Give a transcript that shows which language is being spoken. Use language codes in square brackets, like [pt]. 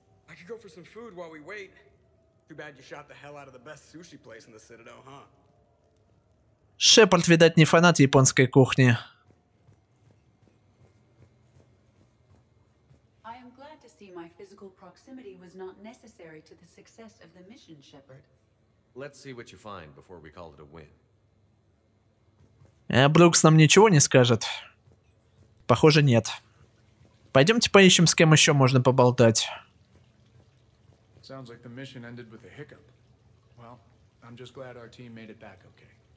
[en] I could go for some food while we wait. Too bad you shot the hell out of the best sushi place in the Citadel, huh? [ru] Шепард, видать, не фанат японской кухни. [en] I am glad to see my physical proximity was not necessary to the success of the mission, Shepard. Let's see what you find before we call it a win. [ru] Брукс нам ничего не скажет? Похоже, нет. Пойдемте поищем, с кем еще можно поболтать. [en] Sounds like the mission ended with a hiccup. Well, I'm just glad our team made it back okay.